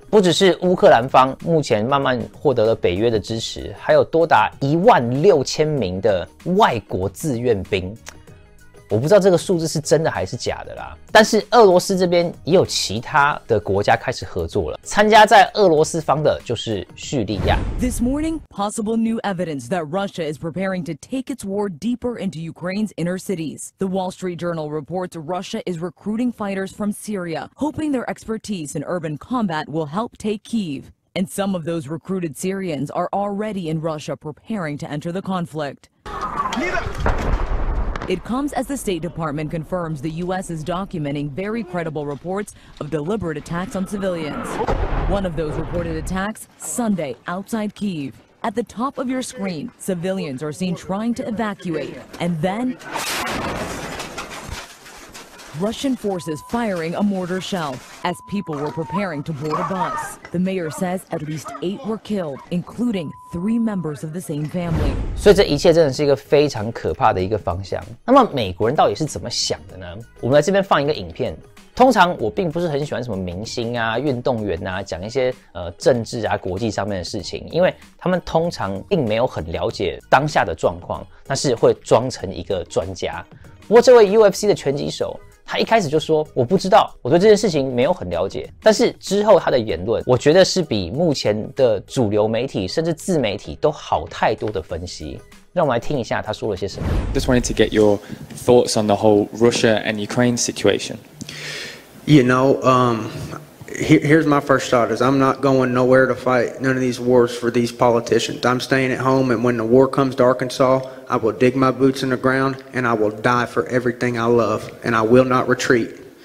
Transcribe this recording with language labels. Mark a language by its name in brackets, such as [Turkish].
[Chinese] 不只是乌克兰方目前慢慢获得了北约的支持，还有多达16000名的外国自愿兵。我不知道这个数字是真的还是假的啦，但是俄罗斯这边也有其他的国家开始合作了。参加在俄罗斯方的就是叙利亚。 [English] This morning, possible new evidence that Russia is preparing to take its war deeper into Ukraine's inner cities. The Wall Street Journal reports Russia is recruiting fighters from Syria, hoping their expertise in urban combat will help take Kyiv. And some of those recruited Syrians are already in Russia preparing to enter the conflict. It comes as the State Department confirms the U.S. is documenting very credible reports of deliberate attacks on civilians. One of those reported attacks, Sunday, outside Kyiv. At the top of your screen, civilians are seen trying to evacuate, and then Russian forces firing a mortar shell as people were preparing to board a bus. The mayor says at least 8 were killed, including 3 members of the same family. [Chinese] 所以这一切真的是一个非常可怕的一个方向。那么美国人到底是怎么想的呢？我们来这边放一个影片。通常我并不是很喜欢什么明星啊、运动员啊讲一些政治啊、国际上面的事情，因为他们通常并没有很了解当下的状况，但是会装成一个专家。不过这位 UFC 的拳击手，他一开始就说我不知道，我对这件事情没有很了解。但是之后他的言论，我觉得是比目前的主流媒体甚至自媒体都好太多的分析。让我们来听一下他说了些什么。 [English] Just wanted to get your thoughts on the whole Russia and Ukraine situation. You know, here's my first thought is I'm not going nowhere to fight none of these wars for these politicians. I'm staying at home, and when the war comes to Arkansas, I will dig my boots in the ground and I will die for everything I love, and I will not retreat.